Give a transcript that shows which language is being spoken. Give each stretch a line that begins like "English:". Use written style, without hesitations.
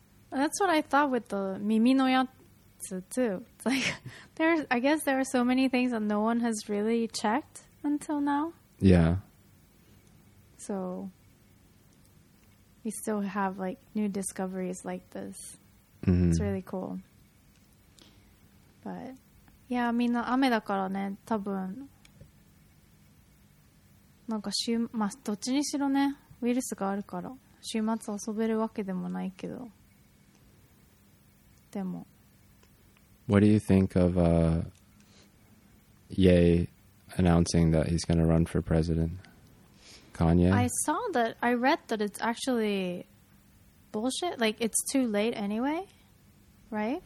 English: That's what I thought with the
Japanese: 耳のやつ
English: too. It's like, I guess there are so many things that no one has really checked until now. Yeah. So... We still have like new discoveries like this. Mm-hmm. It's really cool.
Japanese: But yeah, みんな雨だからね、多分なんか週、まあ、どっちにしろね、ウイルスがあるから週末遊べるわけでもないけど。でも。
English: What do you think of Ye announcing that he's going to run for president? Kanye? I read that it's actually bullshit. Like, it's too late anyway, right?